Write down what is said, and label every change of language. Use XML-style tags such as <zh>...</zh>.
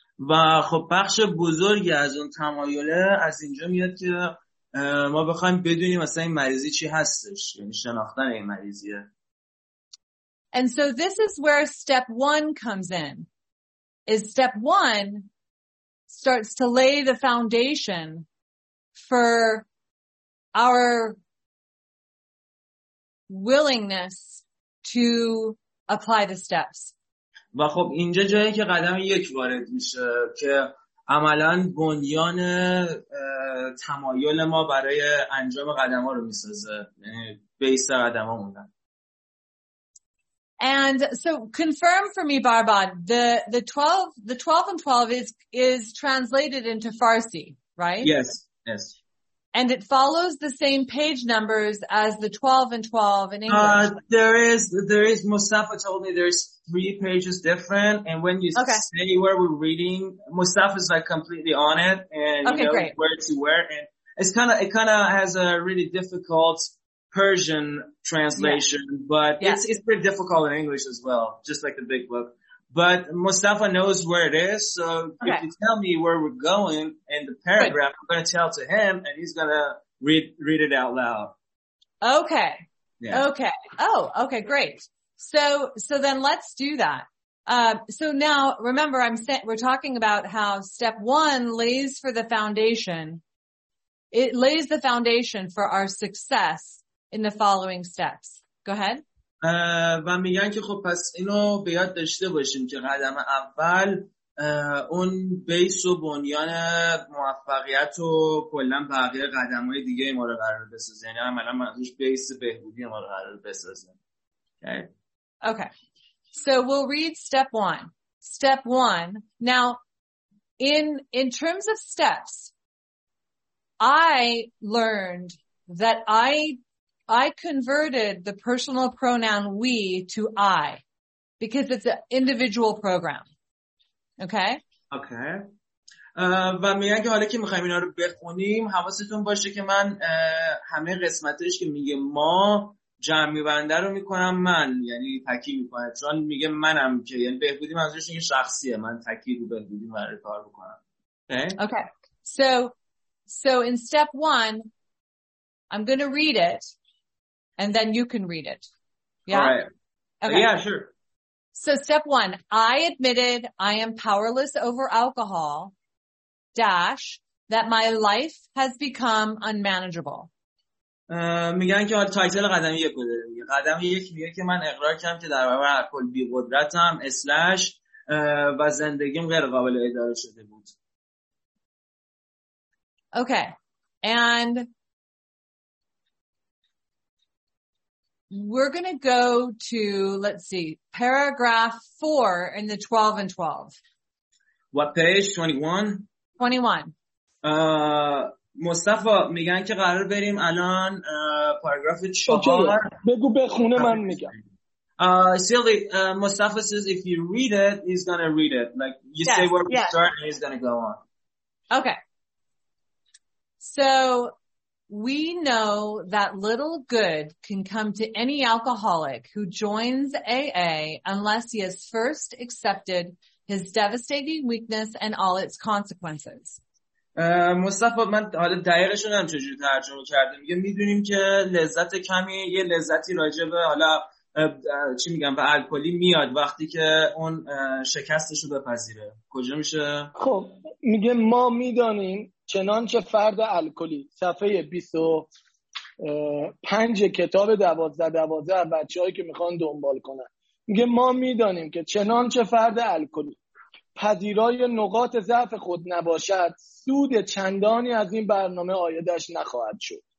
<fa>و خب بخش بزرگی از اون تمایله از اینجا میاد که ما بخوایم بدونیم مثلا این مریضی چی هستش، یعنی شناختن این مریضیه.</fa> <en>And so this is where step one comes in. Is step one starts to lay the foundation for our willingness to apply the steps.</en> <fa>و خب اینجا جایی که قدم یک وارد میشه که عملا بنیان تمایل ما برای انجام قدم ها رو میسازه، یعنی بیس قدم ها موندن.</fa> <en>And so confirm for me, Barbad, the 12 and 12 is translated into Farsi, right? Yes, yes. And it follows the same page numbers as the 12 and 12 in English. There is, Mustafa told me there's 3 pages different. And when you say where we're reading, Mustafa is like completely on it. And you know, great. Where to where. And it kind of has a really difficult Persian translation, yeah. But yeah. It's pretty difficult in English as well, just like the big book. But Mustafa knows where it is, so if you tell me where we're going in the paragraph, I'm going to tell to him, and he's going to read it out loud. Okay. Yeah. Okay. Oh, okay, great. So then let's do that. So now, remember, we're talking about how step one lays for the foundation. It lays the foundation for our success in the following steps. Go ahead.</en> <fa>و میگن که خب پس اینو به یاد داشته باشیم که قدم اول اون بیس و بنیان موفقیت و کلن بقیه قدم های دیگه ما رو قرار بسازه، یعنی عملا منظورش بیس بهبودی ما رو قرار بسازه.</fa> <en>Okay, so we'll read step one. Step one, now in terms of steps, I learned that I converted the personal pronoun we to I because it's an individual program. Okay? Okay.</en> <fa>و میگن که حالا که میخوایم اینا رو بخونیم حواستون باشه که من همه قسمتش که میگه ما جمعی بنده رو میکنم من، یعنی تکی میکنه، چون میگه منم که یعنی بهبودی منظورش این شخصیه، من تکی رو بهبودی من رو کار بکنم.</fa> <en>Okay. So in step one I'm going to read it. And then you can read it. Yeah? All right. Okay. Yeah, sure. So step one, I admitted I am powerless over alcohol, - that my life has become unmanageable.</en> <fa>میگن که تایتل قدم یک بوده. قدم یک میگه که من اقرار کردم که در برابر الکل بی قدرتم / و زندگیم غیر قابل اداره شده بود.</fa> <en>Okay. And we're going to go to, let's see, paragraph 4 in the 12 and 12. What page? 21? 21.</en> <fa>Mustafa, میگن که قرار بریم الان paragraph 4. بگو بخونه من میگم.</fa> <en>Silly, Mustafa says if you read it, he's going to read it. Like, you say where we start and he's going to go on. Okay. So we know that little good can come to any alcoholic who joins AA unless he has first accepted his devastating weakness and all its consequences.</en> <fa>مصطفی من حالا دقیقش رو چجوری ترجمه کردم، میگه میدونیم که لذت کمی یه لذتی راجع به حالا چی میگم به الکلی میاد وقتی که اون شکستش رو بپذیره. کجا میشه؟ خب میگه ما میدانیم چنانچه فرد الکلی، صفحه 25 کتاب 12-12 بچه هایی که میخوان دنبال کنن، میگه ما میدانیم که چنانچه فرد الکلی پذیرای نقاط ضعف خود نباشد، سود چندانی از این برنامه آیدش نخواهد شد.</fa>